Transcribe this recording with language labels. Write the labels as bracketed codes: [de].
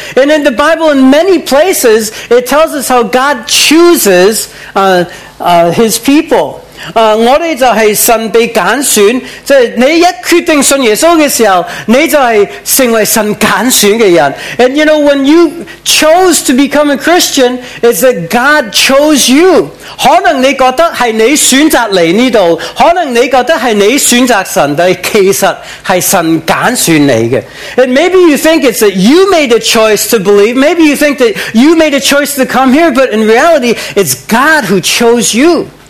[en] and in the Bible in many places it tells us how God chooses His people. [zh] 我們就是神被揀選, 就是你一決定信耶穌的時候, 你就是成為神揀選的人。 [en] And you know, when you chose to become a Christian, it's that God chose you. [zh] 可能你覺得是你選擇來這裡, 可能你覺得是你選擇神, 但其實是神揀選你的。 [en] And maybe you think it's that you made a choice to believe, maybe you think that you made a choice to come here, but in reality, it's God who chose you.